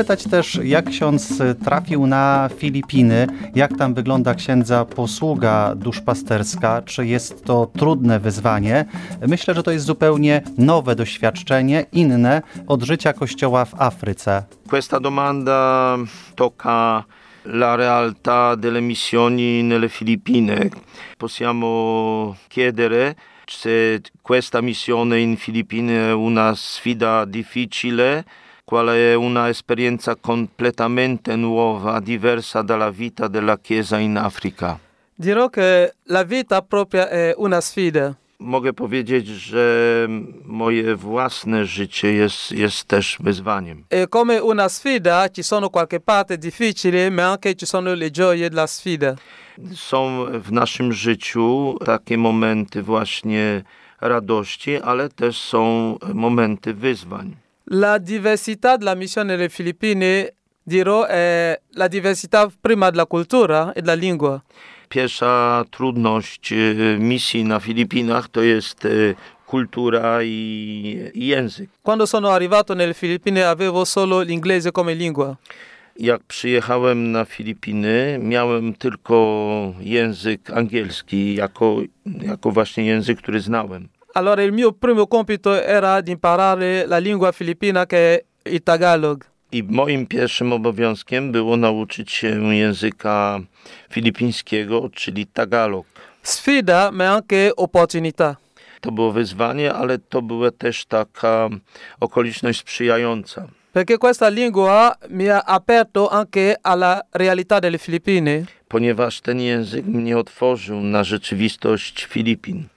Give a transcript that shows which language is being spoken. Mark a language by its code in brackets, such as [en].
[pl] Też jak ksiądz trafił na Filipiny, jak tam wygląda księdza posługa duszpasterska, czy jest to trudne wyzwanie. Myślę, że to jest zupełnie nowe doświadczenie, inne od życia kościoła w Afryce. [it] Questa domanda tocca la realtà delle missioni nelle Filippine. Possiamo chiedere se questa missione in Filippine è una sfida difficile. qual è una esperienza completamente nuova, diversa dalla vita della Chiesa in Africa. Dirò che la vita propria è una sfida. [pl] Mogę powiedzieć, że moje własne życie jest też wyzwaniem. [it] E come una sfida, ci sono qualche parte difficile, ma anche ci sono le gioie della sfida. [pl] Są w naszym życiu takie momenty właśnie radości, ale też są momenty wyzwań. [it] La diversità della missione delle Filippine, dirò, è la diversità prima della cultura e della lingua. [pl] Pierwsza trudność misji na Filipinach to jest kultura i język. [it] Quando sono arrivato nelle Filippine avevo solo l'inglese come lingua. [pl] Jak przyjechałem na Filipiny, miałem tylko język angielski jako właśnie język, który znałem. [it] Allora il mio primo compito era di imparare la lingua filippina che è il Tagalog. [pl] I moim pierwszym obowiązkiem było nauczyć się języka filipińskiego, czyli Tagalog. [it] Sfida, ma anche opportunità. [pl] To było wyzwanie, ale to była też taka okoliczność sprzyjająca. [it] Perché questa lingua mi ha aperto anche alla realtà delle Filippine. [pl] Ponieważ ten język mnie otworzył na rzeczywistość Filipin.